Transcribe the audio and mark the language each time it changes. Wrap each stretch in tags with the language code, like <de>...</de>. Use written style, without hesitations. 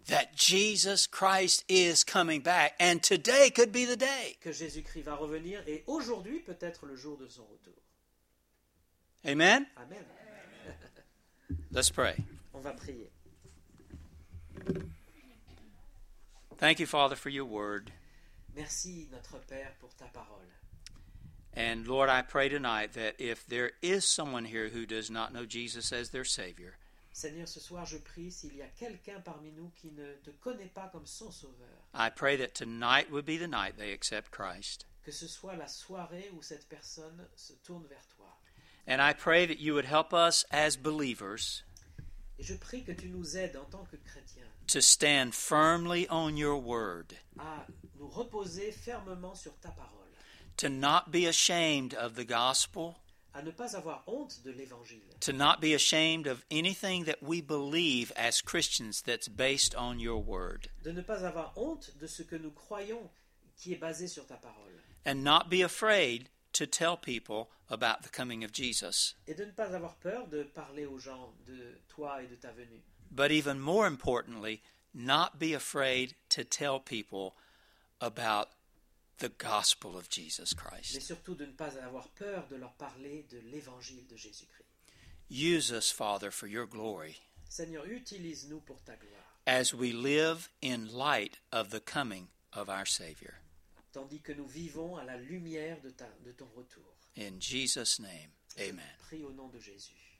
<en>that Jesus Christ is coming back and today could be the day.</en> <fr>Que Jésus-Christ va revenir et aujourd'hui peut être le jour de son retour.</fr> <en>Amen.</en> <fr>Amen.</fr> <en>Let's pray.</en> <fr>On va prier.</fr> <en>Thank you, Father, for your word.</en> <fr>Merci, notre Père, pour ta parole.</fr> <en>And Lord, I pray tonight that if there is someone here who does not know Jesus as their Savior,</en> <fr>Seigneur, ce soir, je prie s'il y a quelqu'un parmi nous qui ne te connaît pas comme son sauveur.</fr> <en>I pray that tonight would be the night they accept Christ.</en> <fr>Que ce soit la soirée où cette personne se tourne vers toi.</fr> <en>And I pray that you would help us as believers.</en> <fr>Et je prie que tu nous aides en tant que chrétiens.</fr> <en>To stand firmly on your word.</en> <fr>À nous reposer fermement sur ta parole.</fr> <en>To not be ashamed of the gospel.</en> <fr>À ne pas avoir honte de l'évangile.</fr> <en>To not be ashamed of anything that we believe as Christians that's based on your word.</en> <fr>De ne pas avoir honte de ce que nous croyons qui est basé sur ta parole.</fr> <en>And not be afraid to tell people about the coming of Jesus.</en> <fr>Et de ne pas avoir peur de parler aux gens de toi et de ta venue.</fr> <en>But even more importantly, not be afraid to tell people about the gospel of Jesus Christ.</en> <fr>Mais surtout de ne pas avoir peur de leur parler de l'évangile de Jésus-Christ.</fr> <en>Use us, Father, for your glory.</en> <fr>Seigneur, utilise-nous pour ta gloire.</fr> <en>As we live in light of the coming of our Savior.</en> <fr>Tandis que nous vivons à la lumière de, de ton retour.</fr> <en>In Jesus' name, amen.</en> <fr>Je prie au nom de Jésus.</fr>